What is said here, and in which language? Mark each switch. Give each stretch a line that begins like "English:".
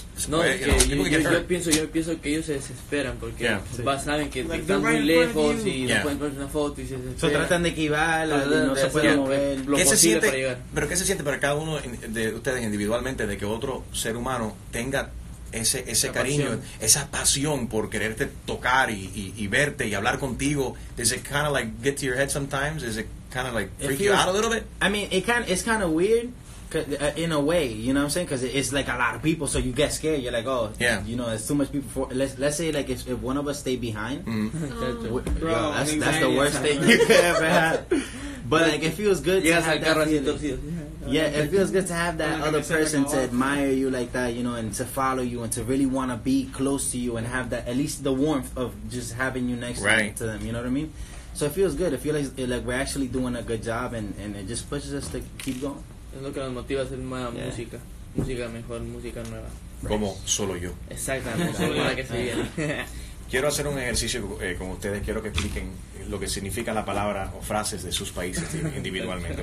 Spanish: yo pienso que ellos se desesperan porque saben que like están muy lejos y no pueden tomar una foto y se desesperan. So, tratan de equivocar, no se pueden mover. ¿Qué se siente? ¿Pero qué se siente para cada uno de ustedes individualmente de que otro ser humano tenga ese cariño, pasión, esa pasión por quererte tocar y verte y hablar contigo?
English: Does it kind of like get to your head sometimes? Is it kind of like freak you out a little bit? I mean, it's kind of weird in a way, you know what I'm saying? Because it's like a lot of people, so you get scared. You're like, oh, yeah, you know, it's too much people. Let's say like if one of us stay behind, that's the worst thing you could ever have. But like, it feels good to have that feeling. Yeah, it feels good to have that other person to admire you like that, you know, and to follow you and to really want to be close to you and have that, at least the warmth of just having you next to them, you know what I mean? So it feels good. It feels like we're actually doing a good job and it just pushes us to keep going.
Spanish: Es lo que nos motiva a hacer más música. Música mejor, música nueva. Como Solo Yo. Exactamente. Solo la que se viene. Quiero hacer un ejercicio con ustedes. Quiero que expliquen lo que significa la palabra o frases de sus países individualmente.